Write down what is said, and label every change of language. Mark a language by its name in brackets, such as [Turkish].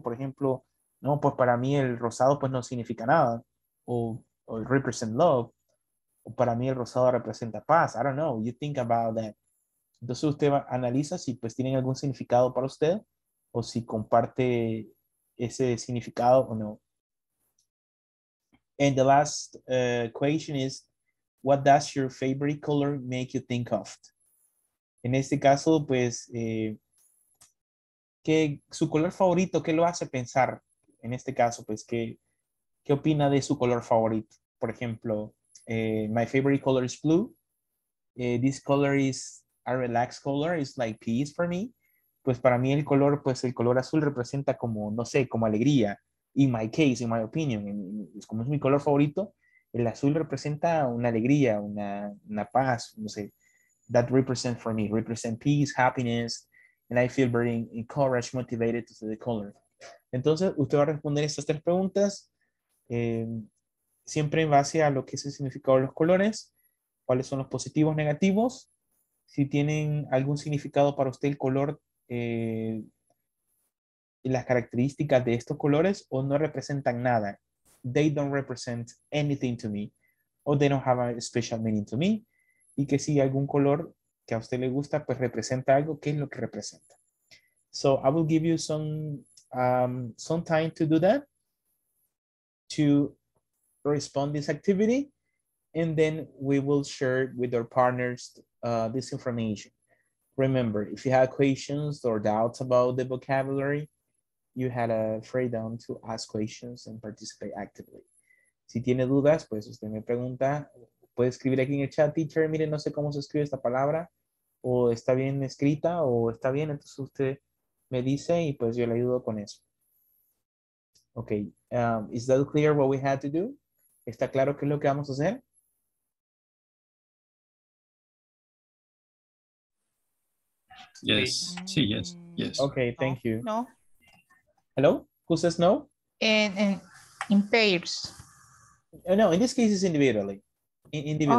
[Spanish] Por ejemplo, no, pues para mí el rosado pues no significa nada. [English] O represent love. [Spanish] O para mí el rosado representa paz. [English] I don't know. You think about that. [Spanish] Entonces usted analiza si pues tienen algún significado para usted o si comparte ese significado o no. [English] And the last question is, what does your favorite color make you think of? [Spanish] En este caso, pues, ¿qué, su color favorito, qué lo hace pensar? En este caso, pues, ¿qué opina de su color favorito? Por ejemplo, [English] my favorite color is blue. This color is a relaxed color. It's like peace for me. [Spanish] Pues, para mí, el color azul representa como, no sé, como alegría. [English] In my case, in my opinion, [Spanish] como es mi color favorito, el azul representa una alegría, una paz, no sé. [English] That represents for me, represent peace, happiness, and I feel very encouraged, motivated to see the color. [Spanish] Entonces, usted va a responder estas tres preguntas, siempre en base a lo que es el significado de los colores, cuáles son los positivos, negativos, si tienen algún significado para usted el color, y las características de estos colores, o no representan nada. [English] They don't represent anything to me, or they don't have a special meaning to me. [Spanish] Y que si algún color que a usted le gusta, pues representa algo, ¿qué es lo que representa? [English] So I will give you some time to do that, to respond this activity, and then we will share with our partners this information. Remember, if you have questions or doubts about the vocabulary, you had a freedom to ask questions and participate actively. [Spanish] Si tiene dudas, pues usted me pregunta. Puede escribir aquí en el chat, teacher, mire, no sé cómo se escribe esta palabra, o está bien escrita, o está bien, entonces usted me dice y pues yo le ayudo con eso. [English] Ok, is that clear what we had to do? [Spanish] ¿Está claro qué es lo que vamos a hacer? [English] Yes, sí, yes, yes. Ok, thank you. No. Hello, who says no? In pairs. No, in this case it's individually. Individual.